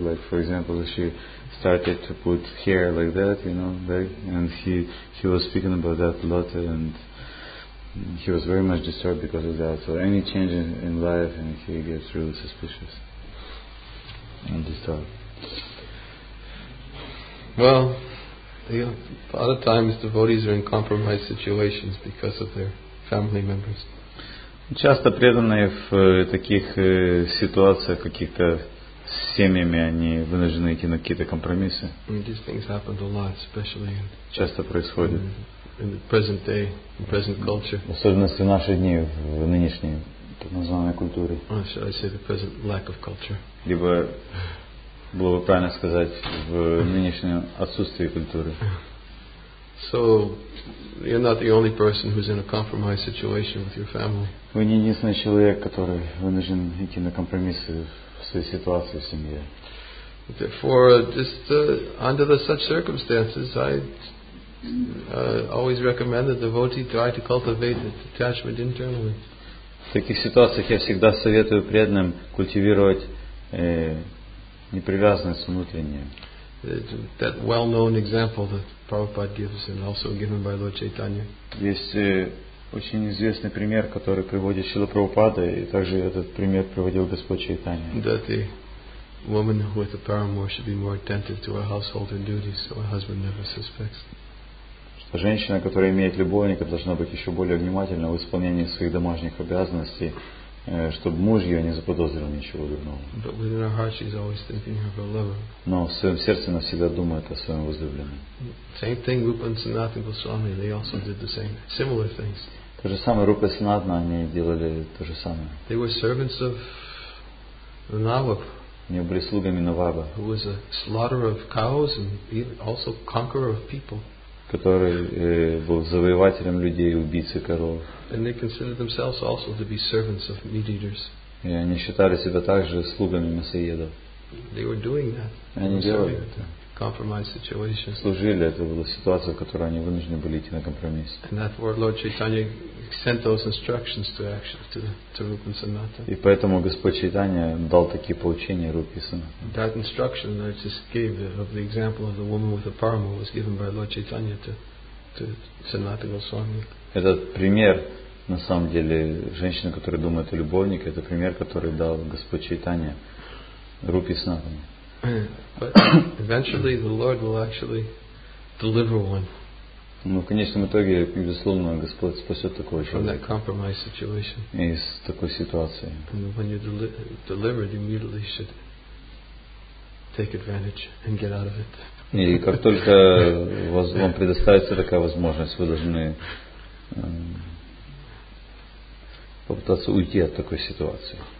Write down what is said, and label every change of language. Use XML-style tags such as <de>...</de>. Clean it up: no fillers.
<en>Like, for example, she started to put hair like that, you know, like, and he was speaking about that a lot, and he was very much disturbed because of that. So any change in life, and he gets really suspicious and disturbed. Well, a lot of times devotees are in compromised situations because of their family members.</en> <ru>Часто преданные в таких ситуациях каких-то с семьями, они вынуждены идти на какие-то компромиссы.</ru> <en>These things happen a lot, especially in.</en> <ru>Часто происходит.</ru> <en>In the present day, in present culture.</en> <ru>Особенности в наши дни, в нынешней так называемой культуре.</ru> <en>Should I say the present lack of culture?</en> <ru>Либо было бы правильно сказать в нынешнем отсутствии культуры.</ru> <en>So you're not the only person who's in a compromised situation with your family.</en> <ru>Вы не единственный человек, который вынужден идти на компромиссы в своей ситуации в семье.</ru> <en>Therefore, just under the such circumstances, I always recommend that devotee try to cultivate the detachment internally.</en> <ru>В таких ситуациях я всегда советую преданным культивировать непривязанность внутреннюю.</ru> <en>That well-known example that Prabhupada gives and also given by Lord Chaitanya.</en> <ru>Есть очень известный пример, который приводит Шрила Прабхупада, и также этот пример приводил Господь Чайтанья.</ru> <en>That the woman with a paramour should be more attentive to her household and duties, so her husband never suspects.</en> <ru>Что женщина, которая имеет любовника, должна быть еще более внимательна в исполнении своих домашних обязанностей, чтобы муж ее не заподозрил ничего дурного.</ru> <en>But within her heart she's always thinking of her lover.</en> <ru>Но в своем сердце она всегда думает о своем возлюбленном.</ru> <en>Same thing, Rupa and Sanatana Goswami, they also did the same, similar things.</en> <ru>То же самое, Рупа и Санатана, они делали то же самое.</ru> <en>They were servants of the Nawab.</en> <ru>Они были слугами Наваба.</ru> <en>Who was a slaughterer of cows and also conqueror of people.</en> <ru>Который был завоевателем людей, убийцей коров.</ru> <en>And they considered themselves also to be servants of meat eaters.</en> <ru>И они считали себя также слугами мясоедов.</ru> <en>They were doing that.</en> <ru>Они делали это.</ru> <en>Compromised situation.</en> <ru>Служили, это была ситуация, в которой они вынуждены были идти на компромисс.</ru> <en>And therefore, Lord Chaitanya sent those instructions to Rupa and Sanatana.</en> <ru>И поэтому Господь Чайтанья дал такие поучения Рупе и Санатане.</ru> <en>That instruction that I just gave of the example of the woman with the paramour was given by Lord Chaitanya to Sanatana Goswami.</en> <ru>Этот пример, на самом деле, женщина, которая думает о любовнике, это пример, который дал Господь Чайтанья Рупе и Санатане.</ru> <en>But eventually the Lord will actually deliver one.</en> <ru>Ну, в конечном итоге, безусловно, Господь спасет такого человека.</ru> <en>From that compromised situation.</en> <ru>Из такой ситуации.</ru> <en>And when you're delivered, you immediately should take advantage and get out of it.</en> <ru>И как только вам предоставится такая возможность, вы должны попытаться уйти от такой ситуации.</ru>